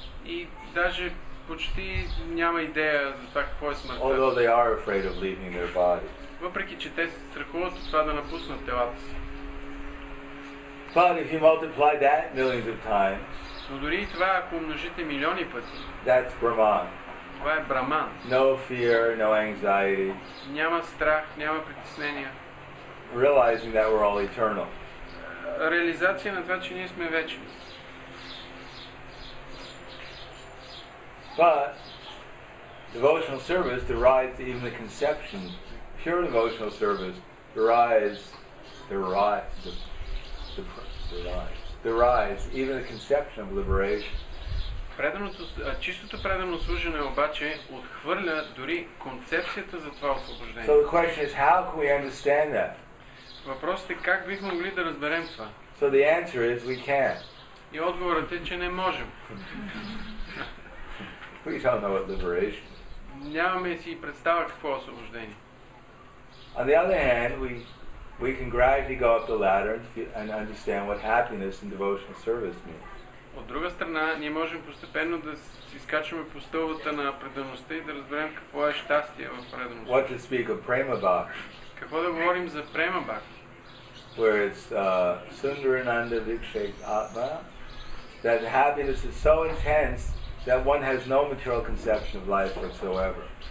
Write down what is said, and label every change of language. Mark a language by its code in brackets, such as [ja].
[bg] И даже почти няма идея за това какво е смъртта. [en] Although they are afraid of leaving their bodies. [bg] Въпреки че те се страхуват от това да напуснат телата си. [en] But if you multiply that millions of times. [bg] Но дори и това, ако умножите милиони пъти. [en] That's Brahman. [bg] Това е Браман. [en] No fear, no anxiety. [bg] Няма страх, няма притеснения. [en] Realizing that we're all eternal. [bg] Реализация на това, че ние сме вечни. [en] But devotional service derives even the conception. Pure devotional service derives even the conception of liberation. [bg] Чистото преданно служене обаче отхвърля дори концепцията за това освобождение. [en] So the question is, how can we understand that? [bg] Въпросът е как бихме могли да разберем това? [en] So the answer is, we can't. [bg] И отговорът е, че не можем. [en] We don't know what liberation is. [bg] Нямаме си представа какво е освобождение. [en] On the other hand, we can gradually go up the ladder and understand what happiness and devotional service means. [bg] От друга страна, ние можем постепенно да си скачваме по стълбата на предаността и да разберем какво е щастие в предаността. [en] What to speak of prema bhakti? [bg] Какво да говорим за prema bhakti? [en] Where it's sundarananda vikshet atma, that happiness is so intense that one has no material conception of life whatsoever.